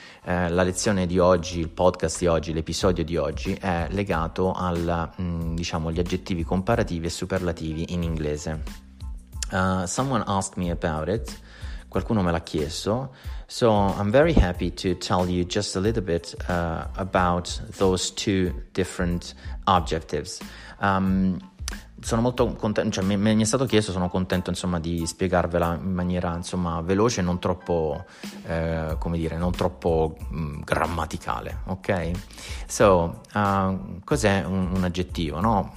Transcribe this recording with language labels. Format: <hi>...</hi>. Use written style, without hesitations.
<it>La lezione di oggi, il podcast di oggi, l'episodio di oggi è legato al, diciamo, gli aggettivi comparativi e superlativi in inglese.</it> <en>Someone asked me about it.</en> <it>Qualcuno me l'ha chiesto.</it> <en>So I'm very happy to tell you just a little bit about those two different objectives.</en> <it>Sono molto contento, cioè mi è stato chiesto, sono contento insomma di spiegarvela in maniera insomma veloce, non troppo, come dire, non troppo grammaticale, ok? So, cos'è un aggettivo, no?</it>